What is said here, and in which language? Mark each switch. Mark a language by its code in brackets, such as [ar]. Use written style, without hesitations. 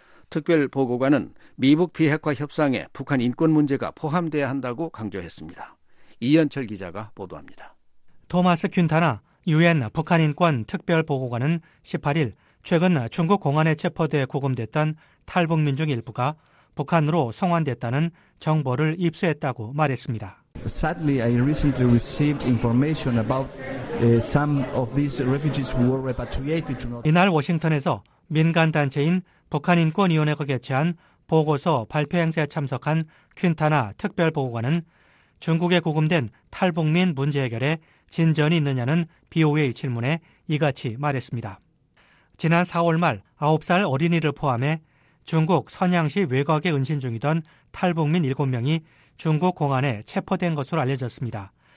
[ko] 특별보고관은 미북 비핵화 협상에 북한 인권 문제가 포함돼야 한다고 강조했습니다. 이현철 기자가 보도합니다. 토마스 퀸타나 유엔 북한인권특별보고관은 18일 최근 중국 공안에 체포돼 구금됐던 탈북민 중 일부가 북한으로 송환됐다는 정보를 입수했다고 말했습니다. [en] Sadly, I recently received information about some of these refugees who were repatriated to North. [ko] 이날 워싱턴에서 민간 단체인 북한인권위원회가 개최한 보고서 발표 행사에 참석한 퀸타나 특별보고관은 중국에 구금된 탈북민 문제 해결에 진전이 있느냐는 BOA 질문에 이같이 말했습니다. 지난 4월 말 9살 어린이를 포함해 중국 선양시 외곽에 은신 중이던 탈북민 7명이 중국 공안에 체포된 것으로 알려졌습니다.